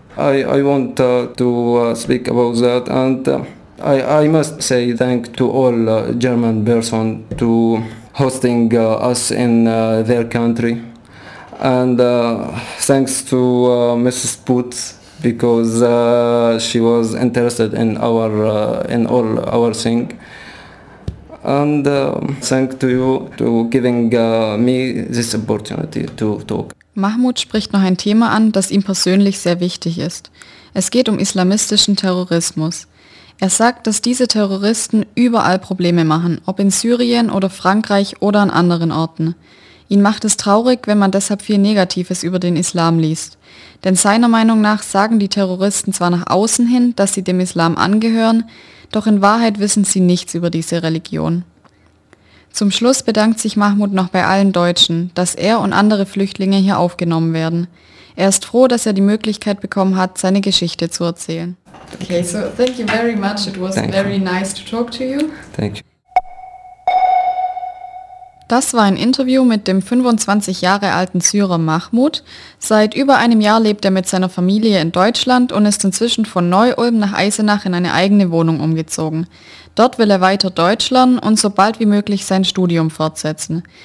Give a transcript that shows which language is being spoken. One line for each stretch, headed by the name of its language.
English: I want to speak about that, and I must say thank to all German person to hosting us in their country, and thanks to Mrs. Putz, because she was interested in our in all our thing, and thank to you to giving me this opportunity to talk.
German: Mahmoud spricht noch ein Thema an, das ihm persönlich sehr wichtig ist. Es geht um islamistischen Terrorismus. Er sagt, dass diese Terroristen überall Probleme machen, ob in Syrien oder Frankreich oder an anderen Orten. Ihn macht es traurig, wenn man deshalb viel Negatives über den Islam liest. Denn seiner Meinung nach sagen die Terroristen zwar nach außen hin, dass sie dem Islam angehören, doch in Wahrheit wissen sie nichts über diese Religion. Zum Schluss bedankt sich Mahmoud noch bei allen Deutschen, dass er und andere Flüchtlinge hier aufgenommen werden. Er ist froh, dass er die Möglichkeit bekommen hat, seine Geschichte zu erzählen.
English: Okay, so thank you very much. It was very nice to talk to you. Thank you.
German: Das war ein Interview mit dem 25 Jahre alten Syrer Mahmoud. Seit über einem Jahr lebt er mit seiner Familie in Deutschland und ist inzwischen von Neu-Ulm nach Eisenach in eine eigene Wohnung umgezogen. Dort will er weiter Deutsch lernen und so bald wie möglich sein Studium fortsetzen.